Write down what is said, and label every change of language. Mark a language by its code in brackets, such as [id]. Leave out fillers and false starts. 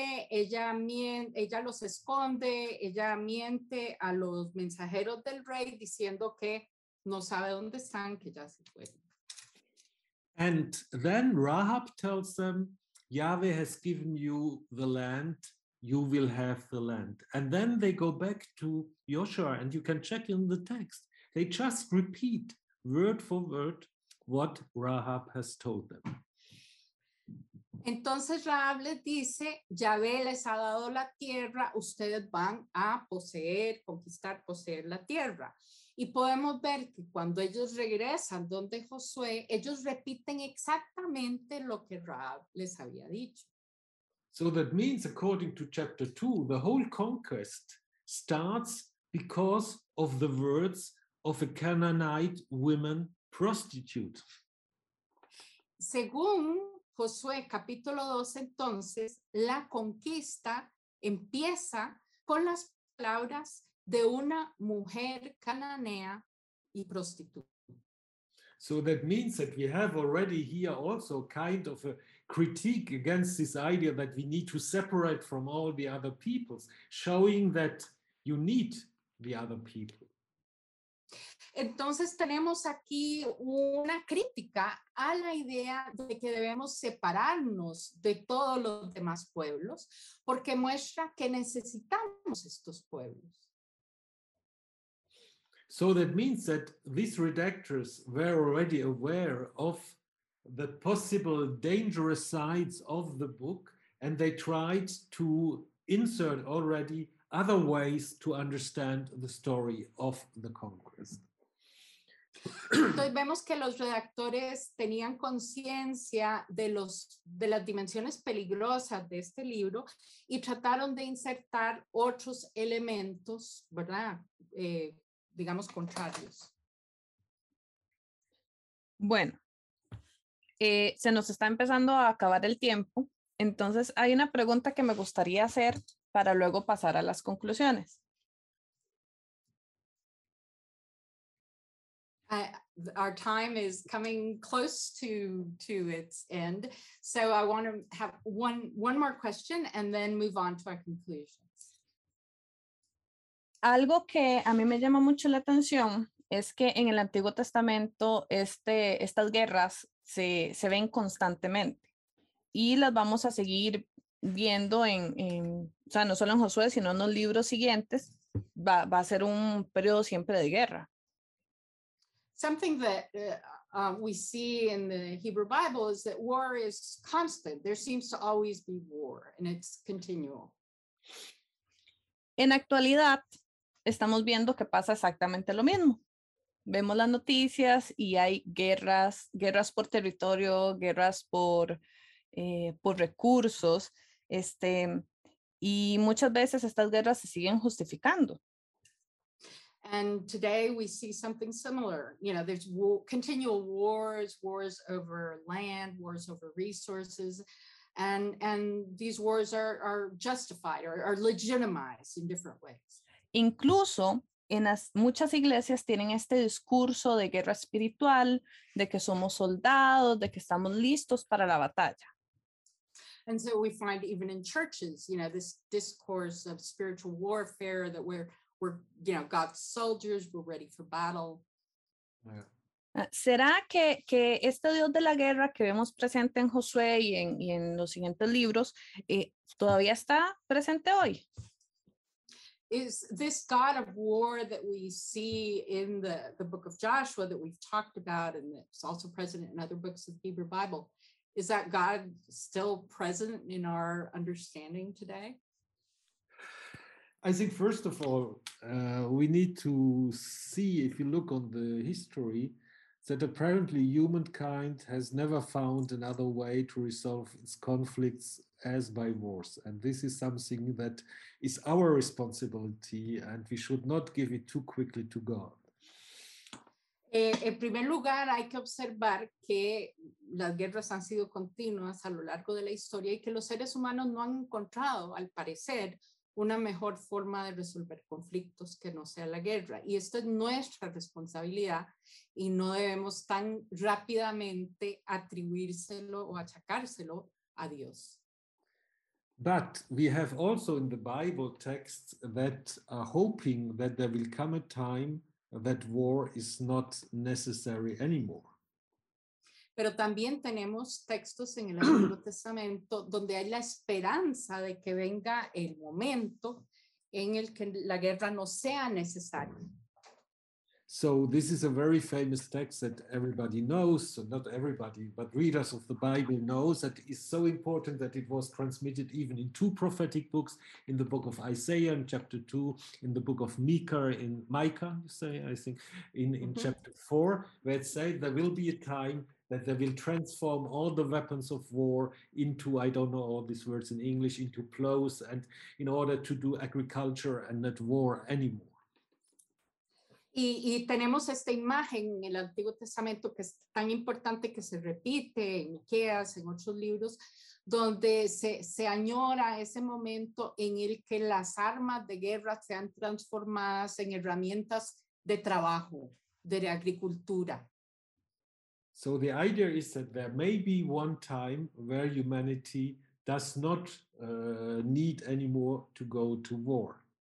[es] Ella los esconde, ella miente a los mensajeros del rey diciendo que no sabe dónde están, que ya se fueron. [en] And then Rahab tells them, Yahweh has given you the land, you will have the land. And then they go back to Joshua, and you can check in the text. They just repeat word for word what Rahab has told them. [es] Entonces Rahab les dice, Yahweh les ha dado la tierra, ustedes van a conquistar la tierra. Y podemos ver que cuando ellos regresan donde Josué, ellos repiten exactamente lo que Rahab les había dicho. [en] So that means, according to chapter 2, the whole conquest starts because of the words of a Canaanite woman prostitute. [es] Según Josué capítulo 2, entonces, la conquista empieza con las palabras de una mujer cananea y prostituta. [en] So that means that we have already here also kind of a critique against this idea that we need to separate from all the other peoples, showing that you need the other people. [es] Entonces tenemos aquí una crítica a la idea de que debemos separarnos de todos los demás pueblos, porque muestra que necesitamos estos pueblos. [en] So that means that these redactors were already aware of the possible dangerous sides of the book, and they tried to insert already other ways to understand the story of the conquest. [es] Entonces vemos que los redactores tenían conciencia de las dimensiones peligrosas de este libro y trataron de insertar otros elementos, ¿verdad? Digamos contrarios. Bueno, se nos está empezando a acabar el tiempo, entonces hay una pregunta que me gustaría hacer para luego pasar a las conclusiones. [en] our time is coming close to its end. So I want to have one more question and then move on to our conclusions. [es] Algo que a mí me llama mucho la atención es que en el Antiguo Testamento estas guerras se ven constantemente y las vamos a seguir viendo o sea, no solo en Josué, sino en los libros siguientes, va a ser un periodo siempre de guerra. [en] Something that we see in the Hebrew Bible is that war is constant. There seems to always be war, and it's continual. [es] En actualidad, estamos viendo que pasa exactamente lo mismo. Vemos las noticias y hay guerras por territorio, guerras por recursos, y muchas veces estas guerras se siguen justificando. [en] And today we see something similar. You know, there's continual wars over land, wars over resources, and these wars are justified or are legitimized in different ways. [es] Incluso en muchas iglesias tienen este discurso de guerra espiritual, de que somos soldados, de que estamos listos para la batalla. [en] And so we find even in churches, you know, this discourse of spiritual warfare that we're, you know, God's soldiers, we're ready for battle. Yeah. [es] ¿Será que este Dios de la guerra que vemos presente en Josué y en los siguientes libros todavía está presente hoy? [en] Is this God of war that we see in the book of Joshua that we've talked about and that's also present in other books of the Hebrew Bible, is that God still present in our understanding today? I think, first of all, we need to see, if you look on the history, that apparently humankind has never found another way to resolve its conflicts as by wars. And this is something that is our responsibility, and we should not give it too quickly to God. [es] En primer lugar, hay que observar que las guerras han sido continuas a lo largo de la historia y que los seres humanos no han encontrado, al parecer, una mejor forma de resolver conflictos que no sea la guerra. Y esto es nuestra responsabilidad y no debemos tan rápidamente atribuírselo o achacárselo a Dios. [en] But we have also in the Bible texts that are hoping that there will come a time that war is not necessary anymore. [es] Pero también tenemos textos en el Antiguo Testamento donde hay la esperanza de que venga el momento en el que la guerra no sea necesaria. [en] So this is a very famous text that everybody knows, so not everybody, but readers of the Bible knows that it's so important that it was transmitted even in two prophetic books, in the book of Isaiah in chapter 2, in the book of Micah, chapter 4, where it says there will be a time that they will transform all the weapons of war into, I don't know all these words in English, into plows, and in order to do agriculture and not war anymore. [es] Y tenemos esta imagen en el Antiguo Testamento que es tan importante que se repite en Miqueas, en otros libros, donde se añora ese momento en el que las armas de guerra sean transformadas en herramientas de trabajo, de agricultura. [en] So the idea is that there may be one time where humanity does not need anymore to go to war.